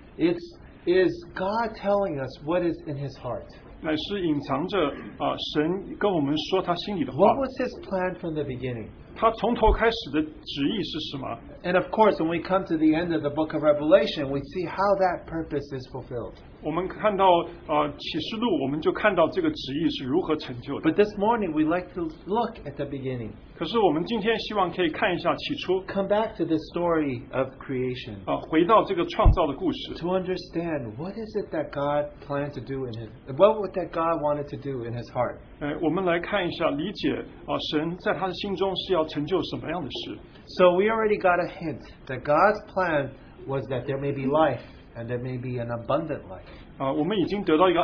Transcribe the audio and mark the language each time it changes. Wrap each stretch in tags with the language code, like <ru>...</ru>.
<en>is God telling us what is in his heart.</en> <zh>乃是隐藏着神跟我们说他心里的话。</zh> <en>What was his plan from the beginning?</en> <zh>他从头开始的旨意是什么?</zh> <en>And of course, when we come to the end of the book of Revelation, we see how that purpose is fulfilled.</en> <zh>我们看到启示录，我们就看到这个旨意是如何成就的。</zh> <en>But this morning, we'd like to look at the beginning.</en> <zh>可是我们今天希望可以看一下起初。</zh> <en>Come back to the story of creation.</en> <zh>回到这个创造的故事。</zh> <en>To understand what is it that God planned to do in his, what would that God wanted to do in his heart.</en> <zh>我们来看一下，理解神在他的心中是要成就什么样的事。</zh> <en>So we already got a hint that God's plan was that there may be life and there may be an abundant life.</en>